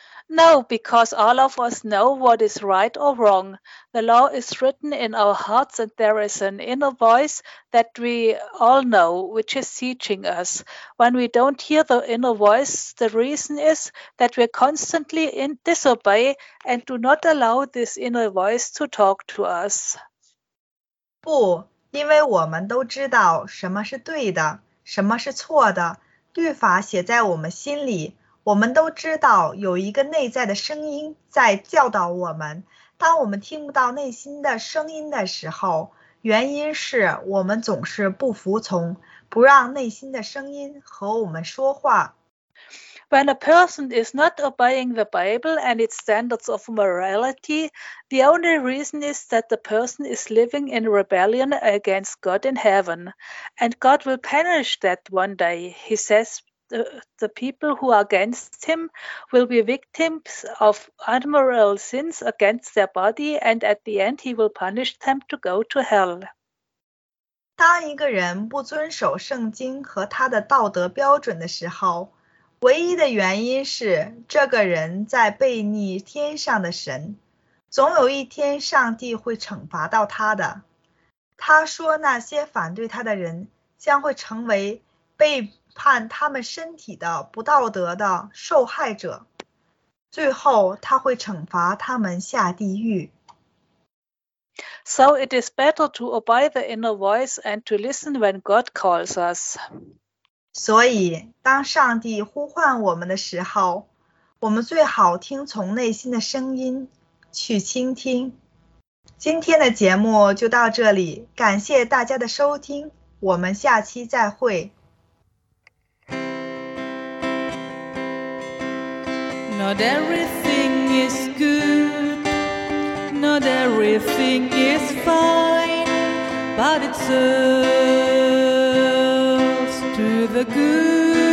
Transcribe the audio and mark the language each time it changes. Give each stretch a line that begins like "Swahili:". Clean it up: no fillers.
English: No, because all of us know what is right or wrong. The law is written in our hearts and there is an inner voice that we all know, which is teaching us. When we don't hear the inner voice, the reason is that we're constantly in disobey and do not allow this inner voice to talk to us.
Chinese: 不，因为我们都知道什么是对的，什么是错的。律法写在我们心里，我们都知道有一个内在的声音在教导我们。当我们听不到内心的声音的时候，原因是我们总是不服从，不让内心的声音和我们说话。
English: When a person is not obeying the Bible and its standards of morality, the only reason is that the person is living in rebellion against God in heaven. And God will punish that one day. He says the people who are against him will be victims of unmoral sins against their body, and at the end he will punish them to go to hell.
Chinese: 当一个人不遵守圣经和他的道德标准的时候，唯一的原因是这个人在悖逆天上的神，总有一天上帝会惩罚到他的。他说那些反对他的人将会成为背叛他们身体的不道德的受害者，最后他会惩罚他们下地狱。
English: So it is better to obey the inner voice and to listen when God calls us.
Chinese: 所以当上帝呼唤我们的时候，我们最好听从内心的声音去倾听。今天的节目就到这里，感谢大家的收听，我们下期再会。
English: Not everything is good, not everything is fine, but it serves to the good.